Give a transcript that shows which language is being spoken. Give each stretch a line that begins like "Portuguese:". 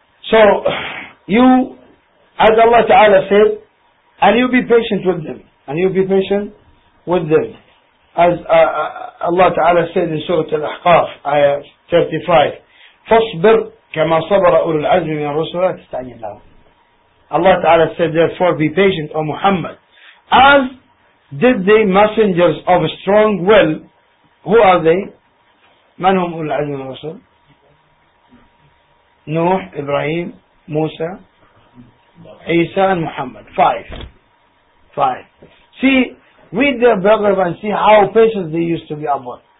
English: So you, as Allah Ta'ala said, and you be patient with them, and you be patient with them, as Allah Ta'ala said in Surah Al-Ahqaf, ayah 35,
Arabic: فاصبر كما صبر أولو العزم من الرسل لا تستعجل لهم.
English: Allah Ta'ala said, therefore be patient, O Muhammad, as did the messengers of a strong will. Who are they?
Arabic: من هم أولو العزم من الرسل؟ نوح, إبراهيم, موسى, عيسى and محمد.
English: Five. See, read their biography and see how patient they used to be about.